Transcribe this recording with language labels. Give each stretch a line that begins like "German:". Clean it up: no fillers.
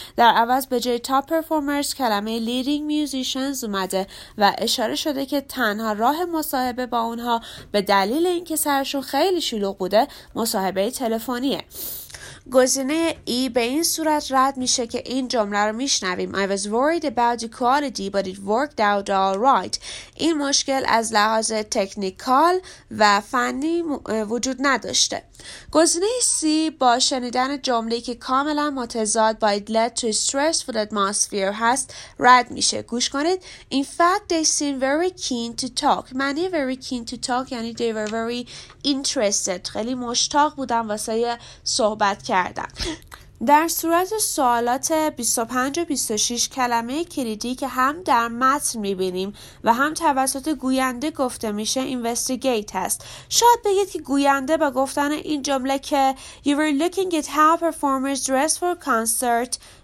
Persian: در عوض به جای
English: top performers
Persian: کلمه
English: leading musicians
Persian: اومده و اشاره شده که تنها راه مصاحبه با اونها به دلیل اینکه سرشون خیلی شلوغ بوده مصاحبه تلفنیه. گزینه E به این صورت رد میشه که این جمله رو میشنویم.
English: I was worried about the quality but it worked out all right.
Persian: این مشکل از لحاظ تکنیکال و فنی وجود نداشته. گزینه C با شنیدن جمله که کاملا متضاد با
English: it led to a stressful atmosphere
Persian: هست رد میشه. گوش کنید.
English: In fact they seem very keen to talk.
Persian: معنی
English: very keen to talk
Persian: یعنی
English: they were very interested.
Persian: خیلی مشتاق بودن واسه صحبت کردن. در صورت سوالات 25 و 26 کلمه کلیدی که هم در متن میبینیم و هم توسط گوینده گفته میشه investigate هست. شاید بگید که گوینده با گفتن این جمله که
English: You were looking at how performers dress for concert